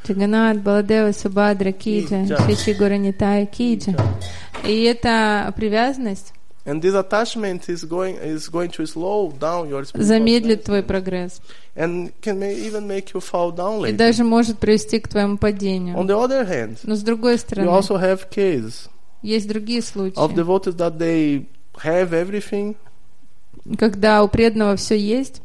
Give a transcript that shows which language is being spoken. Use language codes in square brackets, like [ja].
[ru] Тиганат Баладева Субадра Киджа Шичи Гуранитая Киджа. И это привязанность. [en] And this attachment is going to slow down your spiritual [ru] замедлит твой прогресс. [en] And can may even make you fall down later. [ru] И даже может привести к твоему падению. [en] On the other hand, [ru] но с другой стороны, [en] you also have case. [ru] Есть другие случаи. [en] Of devotees that they have everything. [ru] Когда у преданного все есть.